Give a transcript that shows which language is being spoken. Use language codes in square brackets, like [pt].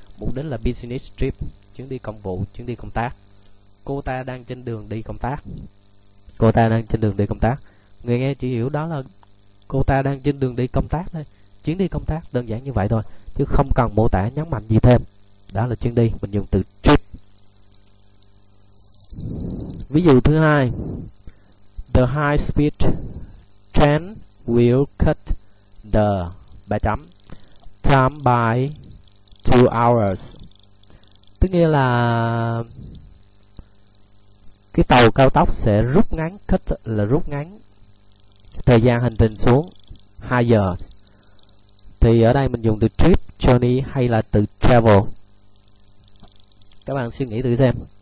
[vi] Mục đích là business trip, chuyến đi công vụ, chuyến đi công tác. Cô ta đang trên đường đi công tác. Cô ta đang trên đường đi công tác. Người nghe chỉ hiểu đó là cô ta đang trên đường đi công tác thôi, chuyến đi công tác, đơn giản như vậy thôi, chứ không cần mô tả nhấn mạnh gì thêm. Đó là chuyến đi, mình dùng từ trip. Ví dụ thứ hai, [en] the high speed train will cut the time by 2 hours. [vi] Tức nghĩa là cái tàu cao tốc sẽ rút ngắn, cut là rút ngắn thời gian hành trình xuống 2 giờ. Thì ở đây mình dùng từ trip, journey hay là từ travel. Các bạn suy nghĩ thử xem.